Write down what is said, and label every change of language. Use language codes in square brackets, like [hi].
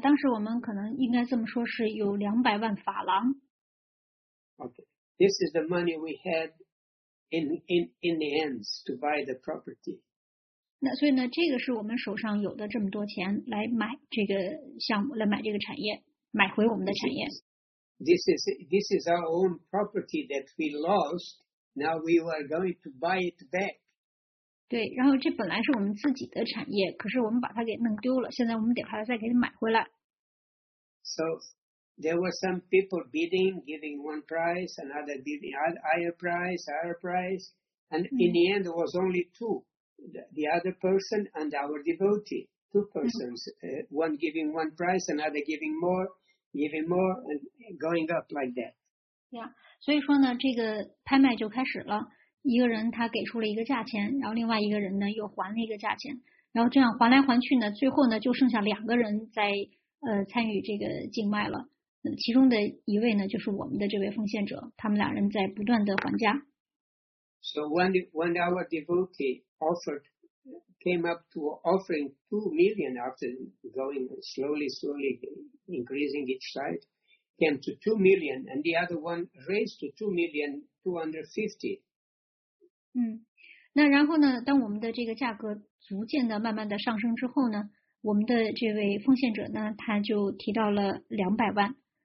[zh] 当时我们可能应该这么说是有200万法郎。 [en] Okay. This is the money we had in the hands to buy the property. [zh] 那所以呢这个是我们手上有的这么多钱来买这个项目，来买这个产业，买回我们的产业。 [en] This is our own property that we lost, now we are going to buy it back. [zh] 对，然后这本来是我们自己的产业，可是我们把它给弄丢了，现在我们得把它再给它买回来。 [en] So there were some people bidding, giving one price, another bidding higher price, and in the end it was only two, the other person and our devotee, two persons, one giving one price, another giving more, and going up like that. [zh] Yeah, 所以说呢，这个拍卖就开始了。一个人他给出了一个价钱，然后另外一个人呢又还了一个价钱，然后这样还来还去呢，最后呢就剩下两个人在参与这个竞卖了。其中的一位呢就是我们的这位奉献者，他们两人在不断的还价。 [en] So when our devotee came up to offering 2 million after going slowly increasing each side, came to 2 million and the other one raised to 2,250,000. [zh] 嗯，那然后呢？当我们的这个价格逐渐的、慢慢的上升之后呢，我们的这位奉献者呢，他就提到了200万。